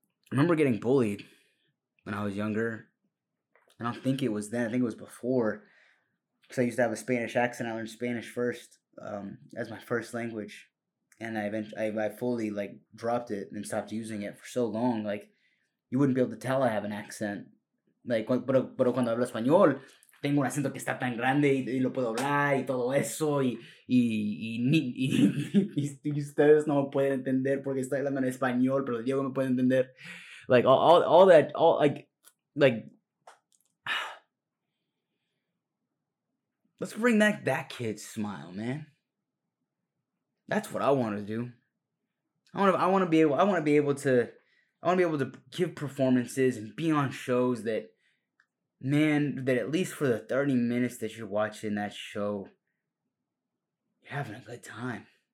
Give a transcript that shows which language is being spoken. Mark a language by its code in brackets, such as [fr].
[en] I remember getting bullied when I was younger. I don't think it was then. I think it was before. Because I used to have a Spanish accent. I learned Spanish first as my first language. And I fully, like, dropped it and stopped using it for so long. Like, you wouldn't be able to tell I have an accent. [es] Like, pero cuando hablo español, tengo un acento que está tan grande y lo puedo hablar y todo eso. Y ustedes no pueden entender porque estoy hablando en español, pero Diego me puede entender. [en] Like, all that, let's bring back that kid's smile, man. That's what I want to do. I want to be able to give performances and be on shows that, man, that at least for the 30 minutes that you're watching that show, you're having a good time.